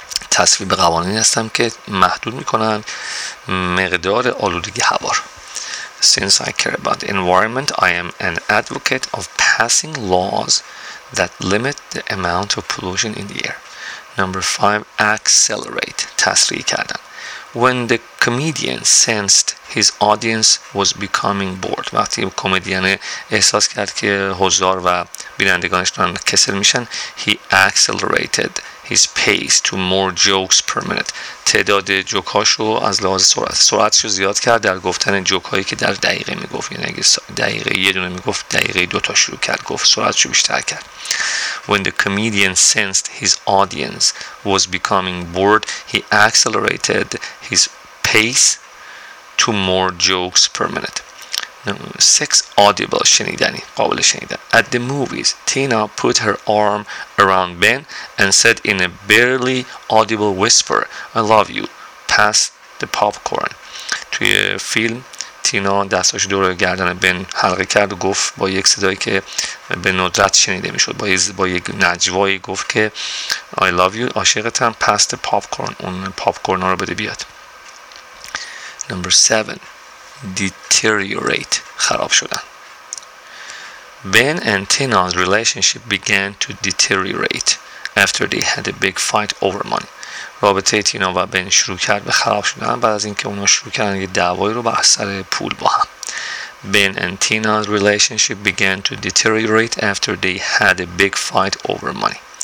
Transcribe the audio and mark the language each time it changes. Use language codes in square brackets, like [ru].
[fa] تصویب قوانینی هستم که محدود میکنن مقدار آلودگی هوا. [en] Since I care about the environment, I am an advocate of passing laws that limit the amount of pollution in the air. Number five, accelerate, [fa] تسریع کردن. [en] When the comedian sensed his audience was becoming bored, [fa] وقتی کمدین احساس کرد که حضار و بینندگانش دارن کسل میشن, [en] he accelerated his pace to more jokes per minute. [fa] تعداد جوکاشو از لحاظ سرعتشو زیاد کرد در گفتن جوکایی که در دقیقه میگفت. یعنی اگه دقیقه یه دونه میگفت, دقیقه دوتا شروع کرد گفت, سرعتشو بیشتر کرد. [en] When the comedian sensed his audience was becoming bored, he accelerated his pace to more jokes per minute. Six, audible, [fa] شنیدنی, قابل شنیدن. [en] At the movies, Tina put her arm around Ben and said in a barely audible whisper, I love you, pass the popcorn. [fa] توی فیلم تینا دستاش دور گردن بن حلقه کرد و گفت با یک صدایی که به ندرت شنیده میشد, با یک نجوایی گفت که [en] I love you, [fa] عاشقتم, [en] pass the popcorn, [fa] اون پاپکورن رو بده بیاد. [en] Number 7, deteriorate, [fa] خراب شدن. [en] Ben and Tina's relationship began to deteriorate after they had a big fight over money. [fa] رابطه تینا و بن شروع کرد به خراب شدن بعد از اینکه اونا شروع کردن یه دعوایی رو بر اثر پول با هم. [en] Ben and Tina's relationship began to deteriorate after they had a big fight over money.